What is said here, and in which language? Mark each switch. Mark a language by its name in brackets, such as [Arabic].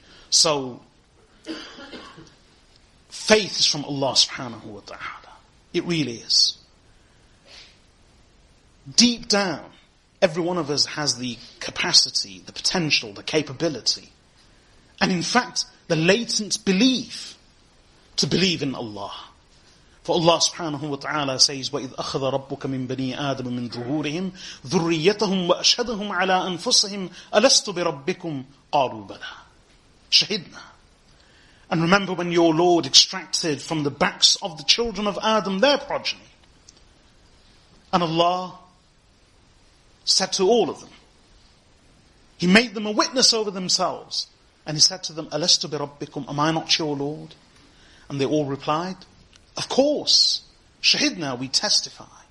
[English] So, faith is from Allah subhanahu wa ta'ala. It really is. Deep down, every one of us has the capacity, the potential, the capability, and in fact, the latent belief to believe in Allah. For Allah subhanahu wa ta'ala says, [Arabic] وَإِذْ أَخَذَ رَبُّكَ مِنْ بَنِي آدَمَ مِنْ ظُهُورِهِمْ ذُرِّيَّتَهُمْ وَأَشْهَدَهُمْ عَلَىٰ أَنفُسِهِمْ أَلَسْتُ بِرَبِّكُمْ قَالُوا بَلَىٰ شَهِدْنَا. [English] And remember when your Lord extracted from the backs of the children of Adam their progeny. And Allah said to all of them, He made them a witness over themselves. And He said to them, [Arabic] أَلَسْتُ بِرَبِّكُمْ, [English] am I not your Lord? And they all replied, of course, shahidna, we testify.